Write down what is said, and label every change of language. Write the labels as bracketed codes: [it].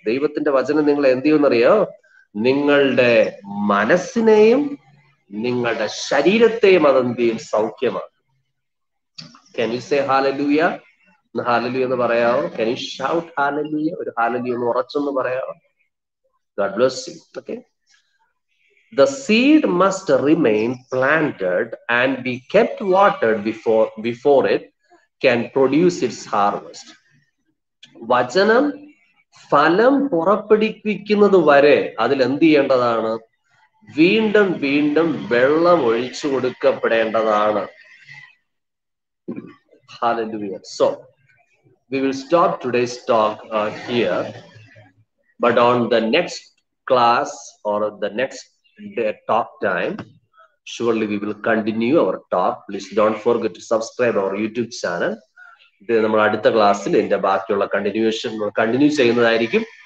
[ml] ദൈവത്തിന്റെ വചനം നിങ്ങൾ എന്ത് ചെയ്യുമെന്നറിയോ? നിങ്ങളുടെ മനസ്സിനെയും നിങ്ങളുടെ ശരീരത്തെയും അതെന്ത് ചെയ്യും? സൗഖ്യമാക്കും. [en] Can you say hallelujah? [ml] Hallelujah എന്ന് പറയാമോ? [en] Can you shout hallelujah? [ml] ഒരു hallelujah എന്ന് ഉറച്ചൊന്ന് പറയാമോ? [en] God bless you. Okay. The seed must remain planted and be kept watered before it can produce its harvest. [ml] വചനം ഫലം പുറപ്പെടുവിക്കുന്നത് വരെ അതിൽ എന്ത് ചെയ്യേണ്ടതാണ്? വീണ്ടും വീണ്ടും വെള്ളം ഒഴിച്ചു കൊടുക്കപ്പെടേണ്ടതാണ്. [en] Hallelujah. So we will stop today's talk here, but on the next class or the next talk time, surely we will continue our talk. Please don't forget to subscribe our YouTube channel. [ml] നമ്മൾ അടുത്ത ക്ലാസ്സിൽ എന്റെ ബാക്കിയുള്ള continuation continue ചെയ്യുന്നതായിരിക്കും.